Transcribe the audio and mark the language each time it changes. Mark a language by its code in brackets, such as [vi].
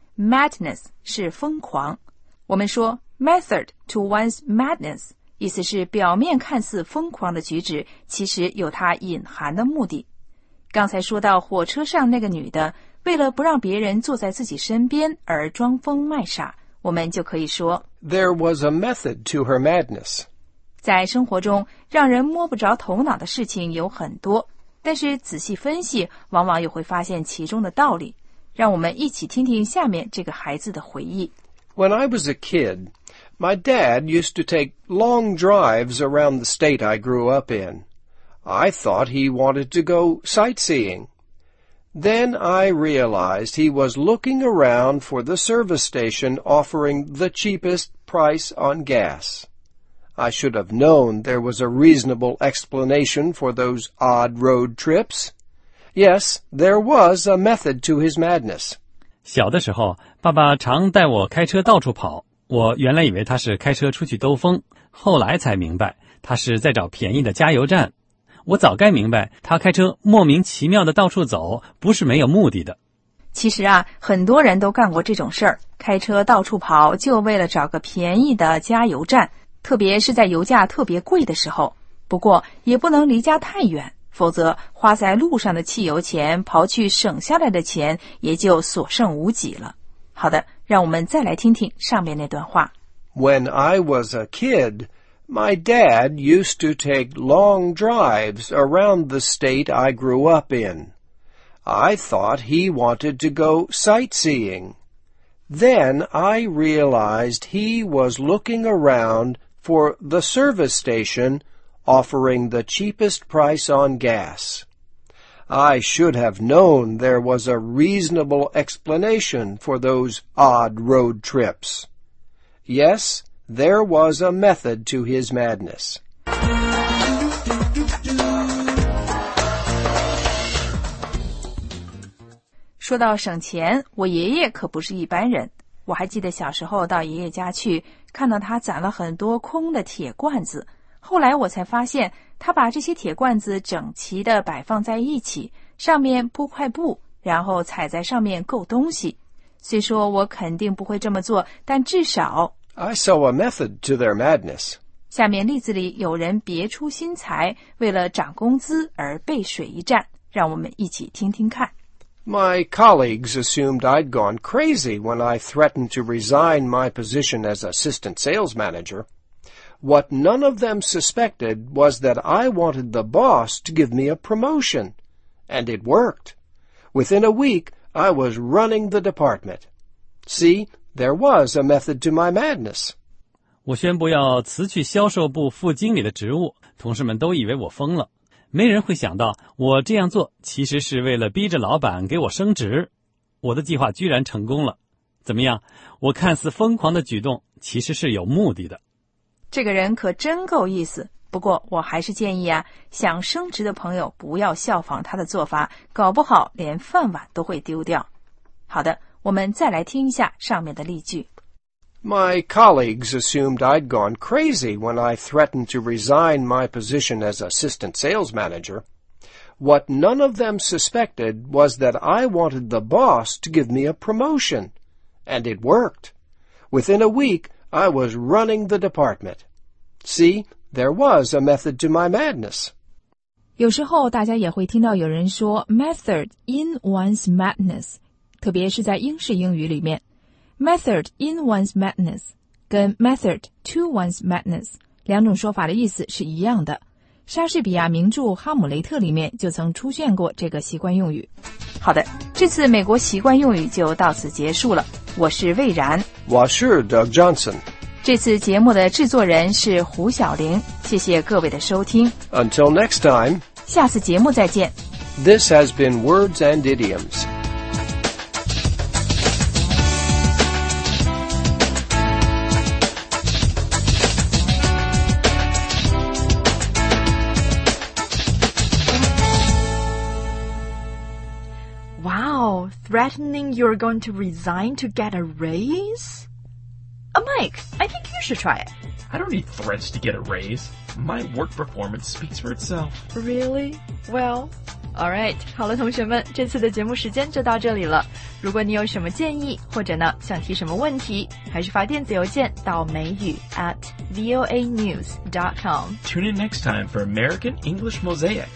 [zh] Madness 是疯狂。我们说 [en] method to one's madness [zh] 意思是表面看似疯狂的举止其实有它隐含的目的。刚才说到火车上那个女的，为了不让别人坐在自己身边而装疯卖傻，我们就可以说 [en] There was a method to her madness. [zh] 在生活中，让人摸不着头脑的事情有很多，但是仔细分析，往往又会发现其中的道理。让我们一起听听下面这个孩子的回忆。 [en] When I was a kid, my dad used to take long drives around the state I grew up in. I thought he wanted to go sightseeing. Then I realized he was looking around for the service station offering the cheapest price on gas. I should have known there was a reasonable explanation for those odd road trips. Yes, there was a method to his madness. [zh] 小的时候，爸爸常带我开车到处跑。我原来以为他是开车出去兜风，后来才明白他是在找便宜的加油站。我早该明白他开车莫名其妙的到处走，不是没有目的的。其实啊，很多人都干过这种事儿，开车到处跑就为了找个便宜的加油站，特别是在油价特别贵的时候。不过也不能离家太远。否则花在路上的汽油钱刨去省下来的钱也就所剩无几了。好的，让我们再来听听上面那段话。 [en] When I was a kid, my dad used to take long drives around the state I grew up in. I thought he wanted to go sightseeing. Then I realized he was looking around for the service stationoffering the cheapest price on gas. I should have known there was a reasonable explanation for those odd road trips. Yes, there was a method to his madness. [zh] 说到省钱，我爷爷可不是一般人。我还记得小时候到爷爷家去，看到他攒了很多空的铁罐子。后来我才发现，他把这些铁罐子整齐地摆放在一起，上面铺块布，然后踩在上面够东西。虽说我肯定不会这么做，但至少 [en] I saw a method to their madness. [zh] 下面例子里有人别出心裁，为了涨工资而背水一战，让我们一起听听看。 [en] My colleagues assumed I'd gone crazy when I threatened to resign my position as assistant sales manager. What none of them suspected was that I wanted the boss to give me a promotion. And it worked. Within a week, I was running the department. See, there was a method to my madness. [zh] 我宣布要辞去销售部副经理的职务，同事们都以为我疯了。没人会想到我这样做其实是为了逼着老板给我升职。我的计划居然成功了。怎么样？我看似疯狂的举动其实是有目的的。这个人可真够意思，不过我还是建议啊，想升职的朋友不要效仿他的做法，搞不好连饭碗都会丢掉。好的，我们再来听一下上面的例句。 [en] My colleagues assumed I'd gone crazy when I threatened to resign my position as assistant sales manager. What none of them suspected was that I wanted the boss to give me a promotion. And it worked. Within a week,I was running the department. See, there was a method to my madness. [zh] 有时候大家也会听到有人说 [en] method in one's madness, [zh] 特别是在英式英语里面。 [en] method in one's madness [zh] 跟 [en] method to one's madness [zh] 两种说法的意思是一样的。莎士比亚名著《哈姆雷特》里面就曾出现过这个习惯用语。好的，这次美国习惯用语就到此结束了。我是魏然，我是 Doug Johnson。这次节目的制作人是胡晓玲，谢谢各位的收听。 [en] Until next time， [zh] 下次节目再见。 [en] This has been Words and Idioms。 Threatening you're going to resign to get a raise? Mike, I think you should try it. I don't need threats to get a raise. My work performance speaks for itself. Really? Well, All right, [zh] 好了，同学们，这次的节目时间就到这里了。如果你有什么建议，或者呢想提什么问题，还是发电子邮件到美语@voanews.com. [en] Tune in next time for American English Mosaic.